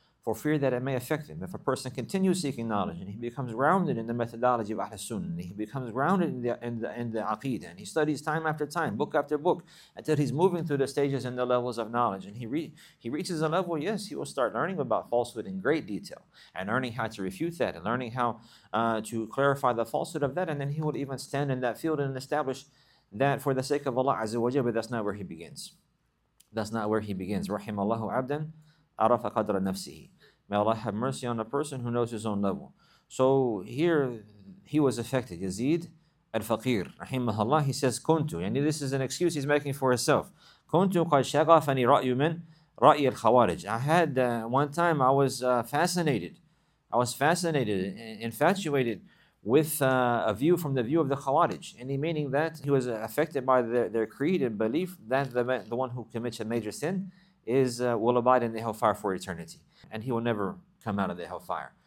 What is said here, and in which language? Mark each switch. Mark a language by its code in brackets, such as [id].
[en] For fear that it may affect them. If a person continues seeking knowledge and he becomes grounded in the methodology of Ahl Sunnah, and he becomes grounded in the Aqidah, and he studies time after time, book after book, until he's moving through the stages and the levels of knowledge, and he reaches a level, yes, he will start learning about falsehood in great detail, and learning how to refute that, and learning how to clarify the falsehood of that, and then he will even stand in that field and establish that for the sake of Allah Azza wa Jalla. But that's not where he begins. That's not where he begins. [ar] Rahimallahu abdan. Arafa qadra nafsihi. [en] May Allah have mercy on a person who knows his own level. So here he was affected. Yazid al-Faqir, rahimahullah, he says, "Kuntu." And this is an excuse he's making for himself. [ar] كنت قد شغفني رأي من رأي الخوارج. [en] I had one time I was fascinated. I was fascinated, infatuated with a view from the view of the Khawarij, and he meaning that he was affected by their creed and belief that the one who commits a major sin is will abide in the hellfire for eternity, and he will never come out of the hellfire.